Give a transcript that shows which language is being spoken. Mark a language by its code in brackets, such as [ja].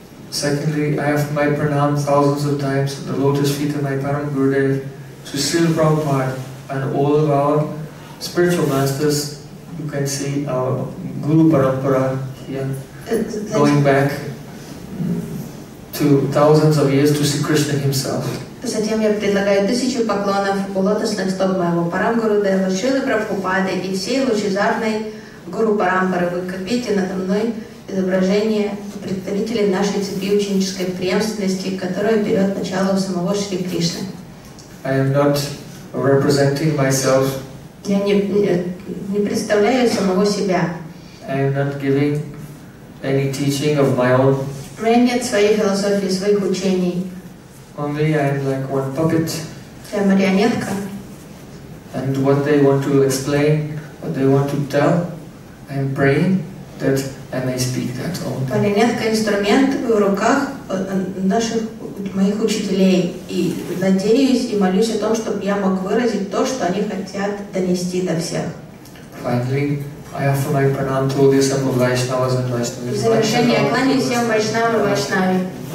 [en] Secondly, I have my pranam thousands of times at the lotus feet of my param Gurudev, to Srila Prabhupada and all of our spiritual masters. You can see our Guru Parampara here, going back to thousands of years to see Krishna himself. [ru] Затем я предлагаю тысячу поклонов у лотосных стоп моего Парамгурудева, Шрилы Прабхупады и всей лучезарной Гуру Парампары. Вы как видите надо мной изображение представителей нашей цепи ученической преемственности, которая берет начало у самого Шри Кришны. [en] I am not representing myself [ru] Я не представляю самого себя. [en] I am not giving any teaching of my own. [ru] У меня нет своей философии, своих учений. [en] Only I am like one puppet. [ru] Я марионетка. [en] And what they want to explain, what they want to tell, I am praying that I may speak that all. [ru] Марионетка инструмент в руках наших моих учителей и надеюсь и молюсь о том, чтобы я мог выразить то, что они хотят донести до всех. [en] Finally, I offer my pranam to all the assembled Vaishnavas and Vaishnavas. [ru] В завершение я кланяюсь всем Вайшнавам и Вайшнавам.